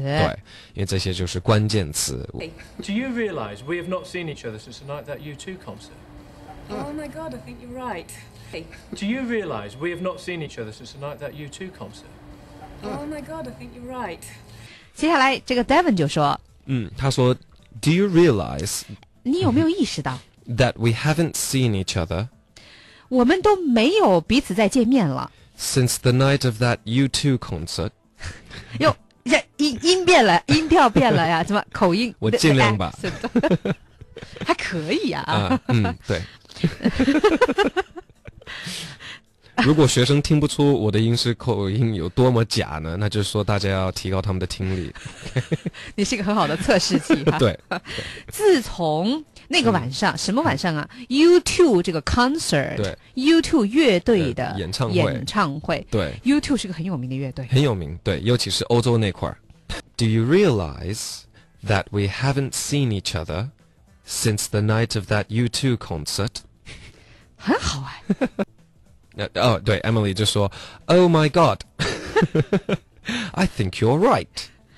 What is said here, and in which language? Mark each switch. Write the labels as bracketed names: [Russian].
[Chinese] 对，因为这些就是关键词。 [English] Do you realize we have not seen each other since the night that U2 concert? Oh my god, I think you're right. Do you realize we have not seen each other since the night that U2 concert? Oh my god, I think you're right. [Chinese] 接下来这个 Devin 就说，他说 [English] Do you realize [Chinese] 你有没有意识到 [English] That we haven't seen each other. [Chinese] 我们都没有彼此再见面了。 [English] Since the night of that U2 concert. [Chinese] 哟，这音变了，音调变了呀，怎么口音？我尽量吧。还可以啊。嗯，对。如果学生听不出我的英式口音有多么假呢，那就是说大家要提高他们的听力。你是一个很好的测试器、啊、对。自从那个晚上、嗯、什么晚上啊 ?U2 这个 concert, 对 ,U2 乐队的演唱会。演唱会对 ,U2 是个很有名的乐队。很有名对，尤其是欧洲那块。 [English] Do you realize that we haven't seen each other since the night of that U2 concert? [Chinese] 很好哎。哦对 [English] ,Emily [Chinese] 就说 [English] ,Oh my god, I think you're right.